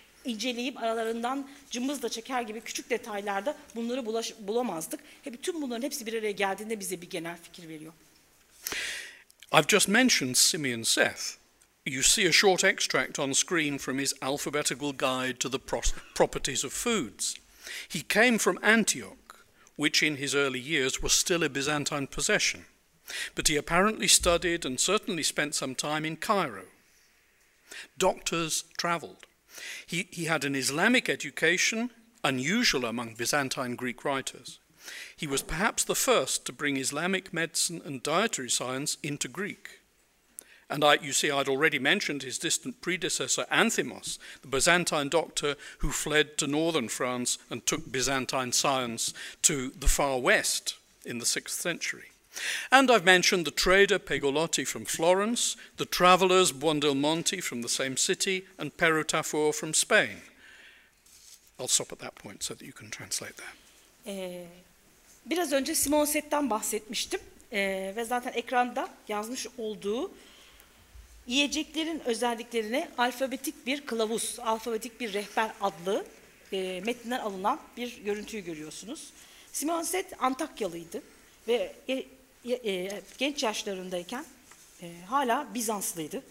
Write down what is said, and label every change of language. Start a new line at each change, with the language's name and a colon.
Turkish: inceleyip aralarından cımbızla çeker gibi küçük detaylarda bunları bulamazdık. Hep tüm bunların hepsi bir araya geldiğinde bize bir genel fikir veriyor.
English: I've just mentioned Simeon Seth. You see a short extract on screen from his alphabetical guide to the properties of foods. He came from Antioch, which in his early years was still a Byzantine possession. But he apparently studied and certainly spent some time in Cairo. Doctors traveled. He had an Islamic education, unusual among Byzantine Greek writers. He was perhaps the first to bring Islamic medicine and dietary science into Greek. And I'd already mentioned his distant predecessor, Anthimos, the Byzantine doctor who fled to northern France and took Byzantine science to the far west in the 6th century. And I've mentioned the trader Pegolotti from Florence, the travellers Buondelmonti from the same city, and Perrotafur from Spain. I'll stop at that point so that you can translate there.
Turkish: Biraz önce Simon Set'ten bahsetmiştim ve zaten ekranda yazmış olduğu yiyeceklerin özelliklerine alfabetik bir kılavuz, alfabetik bir rehber adlı metinden alınan bir görüntüyü görüyorsunuz. Simon Set Antakyalıydı ve genç yaşlarındayken hala Bizanslıydı.